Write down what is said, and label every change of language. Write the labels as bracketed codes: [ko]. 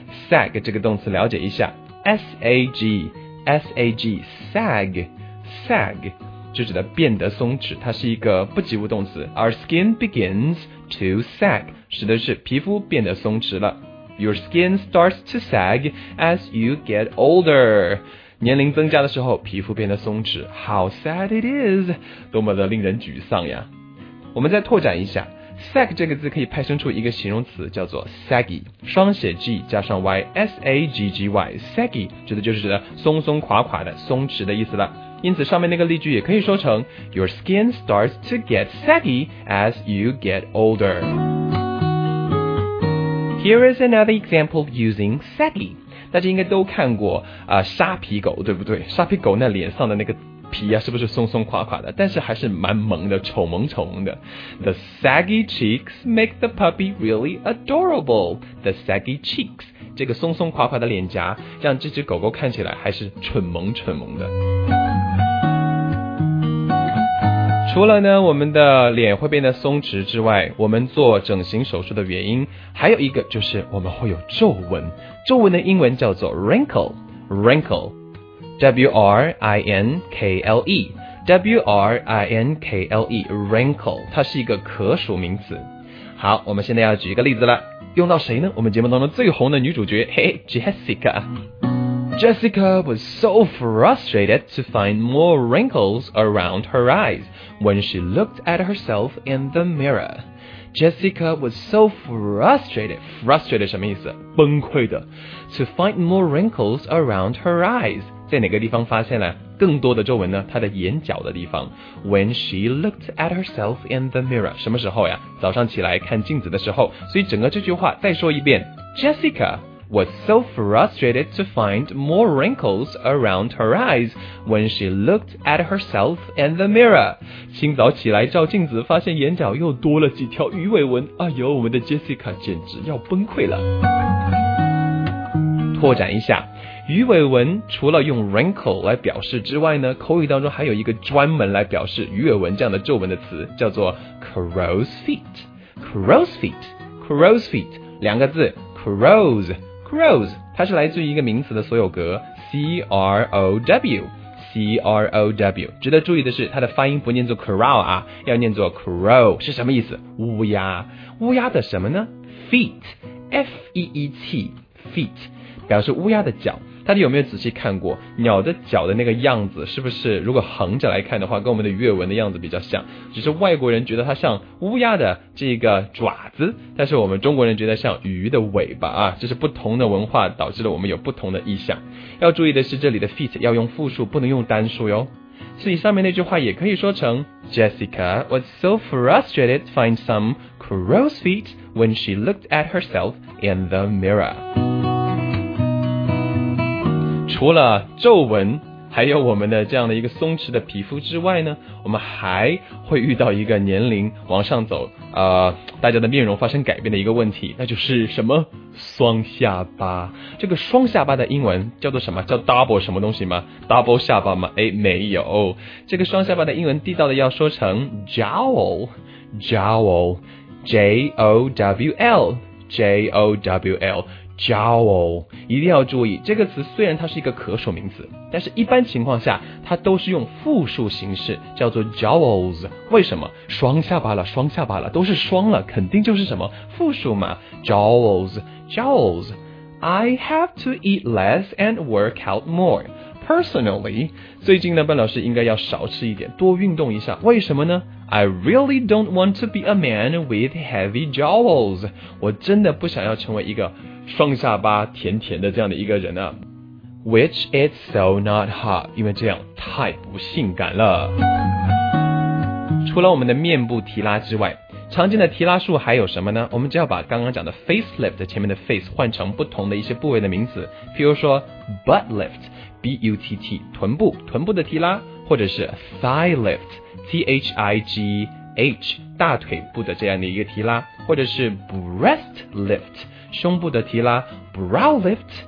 [zh] sag 这个动词了解一下， sag 就指的变得松弛，它是一个不及物动词。 [en] our skin begins to sag [zh] 使得是皮肤变得松弛了。 [en] Your skin starts to sag as you get older. [zh] 年龄增加的时候，皮肤变得松弛。 [en] How sad it is! [zh] 多么的令人沮丧呀！我们再拓展一下 ，sag 这个字可以派生出一个形容词，叫做 saggy， 双写 g 加上 y， s a g g y， saggy 指的就是指的松松垮垮的、松弛的意思了。因此，上面那个例句也可以说成 ： [en] Your skin starts to get saggy as you get older. Here is another example using saggy. [zh] 大家应该都看过沙皮狗，对不对？沙皮狗那脸上的那个皮啊，是不是松松垮垮的？但是还是蛮萌的，丑萌丑萌的。 [en] The saggy cheeks make the puppy really adorable. The saggy cheeks， [zh] 这个松松垮垮的脸颊，让这只狗狗看起来还是蠢萌蠢萌的。除了呢我们的脸会变得松弛之外，我们做整形手术的原因还有一个，就是我们会有皱纹。皱纹的英文叫做 wrinkle W-R-I-N-K-L-E wrinkle， 它是一个可数名词。好，我们现在要举一个例子了，用到谁呢？我们节目当中最红的女主角，嘿， [en] Jessica was so frustrated to find more wrinkles around her eyes when she looked at herself in the mirror. Jessica was so frustrated. [zh] Frustrated 什么意思？崩溃的。 [en] To find more wrinkles around her eyes. [zh] 在哪个地方发现了更多的皱纹呢？她的眼角的地方。 [en] When she looked at herself in the mirror. [zh] 什么时候呀？早上起来看镜子的时候。所以整个这句话再说一遍。 [en] Jessica... was so frustrated to find more wrinkles around her eyes when she looked at herself in the mirror. [zh] 清早起来照镜子，发现眼角又多了几条鱼尾纹。哎呦，我们的 Jessica 简直要崩溃了。拓展一下，鱼尾纹除了用 wrinkle 来表示之外呢，口语当中还有一个专门来表示鱼尾纹这样的皱纹的词，叫做 [en] crow's feet. Crow's feet. Crow's feet. [zh] 两个字 crows 它是来自于一个名词的所有格 crow， 值得注意的是它的发音不念作 crow 啊，要念作 crow， 是什么意思？乌鸦。乌鸦的什么呢？ feet F-E-E-T feet 表示乌鸦的脚。大家有没有仔细看过鸟的脚的那个样子，是不是如果横着来看的话跟我们的鱼尾纹的样子比较像，只是外国人觉得它像乌鸦的这个爪子，但是我们中国人觉得像鱼的尾巴啊，这是不同的文化导致了我们有不同的意象。要注意的是这里的 feet 要用复数，不能用单数哟。 [en] 所以上面那句话也可以说成 Jessica was so frustrated to find some crow's feet when she looked at herself in the mirror。 [zh] 除了皱纹还有我们的这样的一个松弛的皮肤之外呢，我们还会遇到一个年龄往上走，大家的面容发生改变的一个问题，那就是什么双下巴。这个双下巴的英文叫做什么？叫 double 什么东西吗？ double 下巴吗？诶，没有，这个双下巴的英文地道的要说成 jowl jowl J-O-W-L J-O-W-L jowl， 一定要注意，这个词虽然它是一个可数名词，但是一般情况下它都是用复数形式，叫做 jowls。为什么？双下巴了，双下巴了，都是双了，肯定就是什么复数嘛， jowls jowls。 [en] I have to eat less and work out more personally。 [zh] 最近呢，班老师应该要少吃一点，多运动一下，为什么呢？ [en] I really don't want to be a man with heavy jowls. [zh] 我真的不想要成为一个双下巴甜甜的这样的一个人啊。 [en] Which is so not hot. [zh] 因为这样太不性感了。除了我们的面部提拉之外，常见的提拉术还有什么呢？我们只要把刚刚讲的 facelift 前面的 face 换成不同的一些部位的名字，譬如说 butt lift, B-U-T-T, 臀部，臀部的提拉，或者是 thigh lift,T-H-I-G-H 大腿部的这样的一个提拉，或者是 breast lift 胸部的提拉， brow lift